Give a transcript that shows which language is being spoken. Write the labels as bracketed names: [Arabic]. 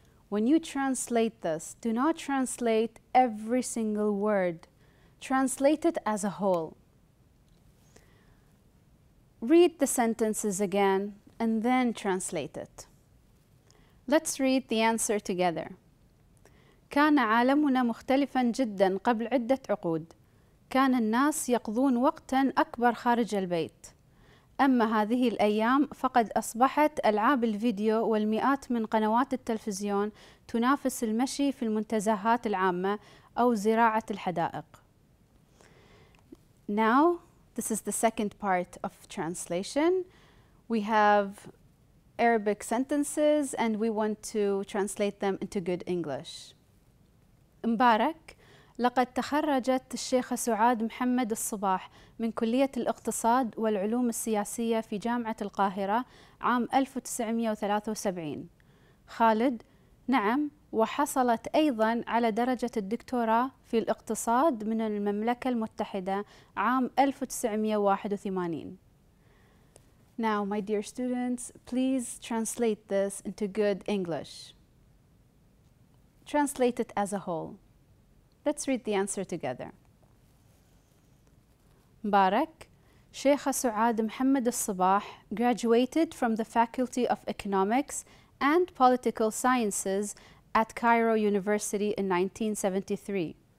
[English] When you translate this, do not translate every single word. Translate it as a whole. Read the sentences again and then translate it. Let's read the answer together. [Arabic] كان عالمنا مختلفا جدا قبل عدة عقود. كان الناس يقضون وقتا أكبر خارج البيت. أما هذه الأيام فقد أصبحت ألعاب الفيديو والمئات من قنوات التلفزيون تنافس المشي في المنتزهات العامة أو زراعة الحدائق. [English] Now, this is the second part of translation. We have Arabic sentences and we want to translate them into good English. [Arabic] مبارك. لقد تخرجت الشيخة سعاد محمد الصباح من كلية الاقتصاد والعلوم السياسية في جامعة القاهرة عام 1973. خالد، نعم، وحصلت أيضاً على درجة الدكتوراه في الاقتصاد من المملكة المتحدة عام 1981. [English] Now, my dear students, please translate this into good English. Translate it as a whole. Let's read the answer together. [Arabic] مبارك. [English] شيخة سعاد محمد الصباح graduated from the Faculty of Economics and Political Sciences at Cairo University in 1973.